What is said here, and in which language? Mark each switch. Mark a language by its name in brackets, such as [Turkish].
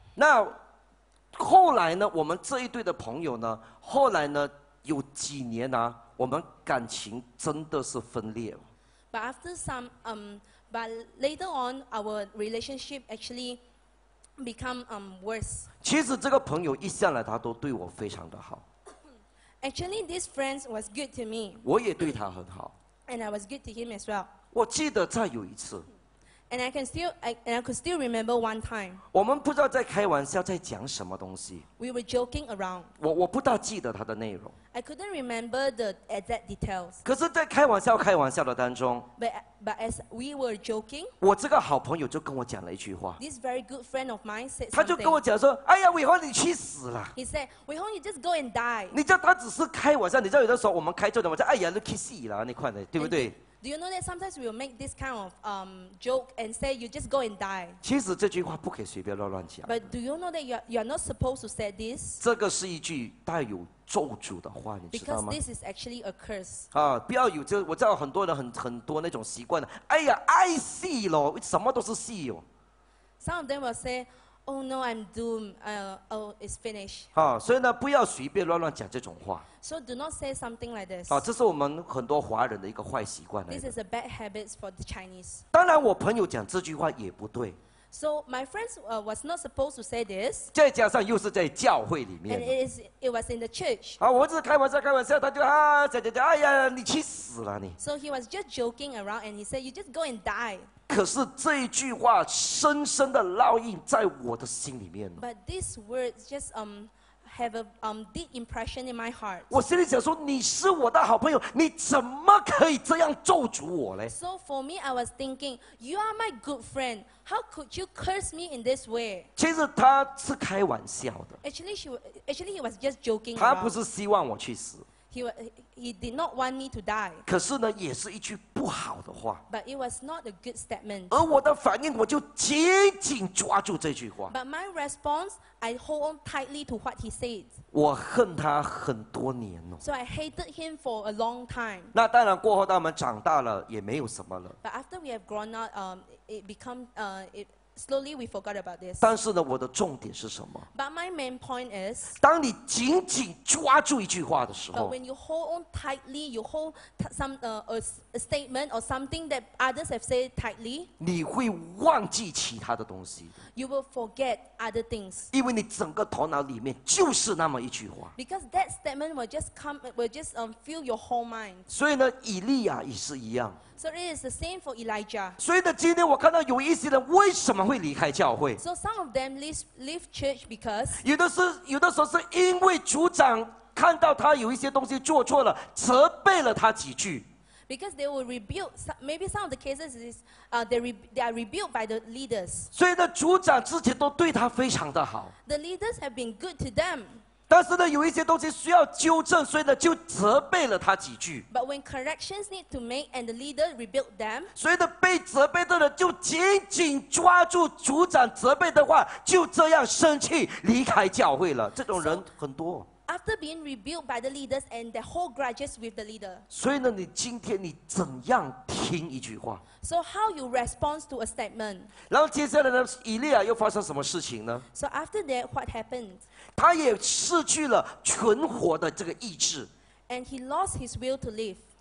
[Chinese] 那后来呢？我们这一对的朋友呢？后来呢？有几年呢、啊？我们感情真的是分裂。 [English] But after some, but later on, our relationship actually become worse. [Chinese] 其实这个朋友一向来他都对我非常的好。 [English] Actually, this friend was good to me. [Chinese] 我也对他很好。 [English] And I was good to him as well. [Chinese] 我记得再有一次。 [English] And I can still, and I could still remember one time. [Chinese] 我们不知道在开玩笑，在讲什么东西。 [English] We were joking around. [Chinese] 我不大记得它的内容。 [English] I couldn't remember the exact details. [Chinese] 可是，在开玩笑、开玩笑的当中。 [English] But as we were joking. [Chinese] 我这个好朋友就跟我讲了一句话。 [English] This very good friend of mine said something. [Chinese] 他就跟我讲说：“哎呀，伟宏，你去死了。 [English] ”He said, "Wei Hong, you just go and die." [Chinese] 你知道他只是开玩笑，你知道有的时候我们开这种玩笑，哎呀，你去死了，你快点，对不对？ [English] Do you know that sometimes we will make this kind of joke and say you just go and die? [Chinese] 其实这句话不可以随便乱乱讲。 [English] But do you know that you are not supposed to say this? [Chinese] 这个是一句带有咒诅的话，你知道吗 [English] ？Because this is actually a curse. [Chinese] 啊，不要有这，我知道很多人很多那种习惯的。哎呀，爱死咯，什么都是死哟。 [English] Some of them will say, "Oh no, I'm doomed. It's finished." [Chinese] 啊，所以呢，不要随便乱乱讲这种话。 [English] So do not say something like this. [Chinese] 好，这是我们很多华人的一个坏习惯。 [English] This is a bad habit for the Chinese. [Chinese] 当然，我朋友讲这句话也不对。 [English] So my friends was not supposed to say this. [Chinese] 再加上又是在教会里面。 [English] And it was in the church. [Chinese] 好，我只是开玩笑，开玩笑，他就啊，讲讲讲，哎呀，你去死了你。 [English] So he was just joking around, and he said, "You just go and die." [Chinese] 可是这一句话深深的烙印在我的心里面。 [English] But this word just have a deep impression in my heart. [Chinese] 我心里想说，你是我的好朋友，你怎么可以这样咒诅我嘞 [English] ？So for me, I was thinking, you are my good friend. How could you curse me in this way? [Chinese] 其实他是开玩笑的。 [English] Actually, he was just joking. [Chinese] 他不是希望我去死。 [English] He did not want me to die. [Chinese] 可是呢，也是一句不好的话。 [English] But it was not a good statement. [Chinese] 而我的反应，我就紧紧抓住这句话。 [English] But my response. I hold on tightly to what he said. [Chinese] 我恨他很多年哦。 [English] So I hated him for a long time. [Chinese] 那当然，过后当我们长大了，也没有什么了。 [English] But after we have grown up, it slowly we forgot about this. [Chinese] 但是呢，我的重点是什么 [English] ？But my main point is. [Chinese] 当你紧紧抓住一句话的时候 [English] ，But when you hold on tightly, you hold some a statement or something that others have said tightly. [Chinese] 你会忘记其他的东西。 [English] You will forget other things. [Chinese] 因为你整个头脑里面就是那么一句话。 [English] Because that statement will just fill your whole mind. [Chinese] 所以呢，以利亚也是一样。 [English] So it is the same for Elijah. [Chinese] 所以呢，今天我看到有一些人为什么会离开教会 [English] ？So some of them leave church because [Chinese] 有的时候是因为组长看到他有一些东西做错了，责备了他几句。 [English] Because they will rebuke. Maybe some of the cases is they are rebuked by the leaders. [Chinese] 所以呢，组长之前都对他非常的好。 [English] The leaders have been good to them. [Chinese] 但是呢，有一些东西需要纠正，所以呢，就责备了他几句。 [English] But when corrections need to make and the leader rebuke them, [Chinese] 所以呢，被责备的人就紧紧抓住组长责备的话，就这样生气离开教会了。这种人很多。 [English] After being rebuked by the leaders and the whole grudges with the leader. [Chinese] 所以呢，你今天你怎样听一句话 [English] ？So how you respond to a statement? [Chinese] 然后接下来呢，以利亚又发生什么事情呢 [English] ？So after that, what happened? [Chinese] 他也失去了存活的这个意志。 [English] And he lost his will to live.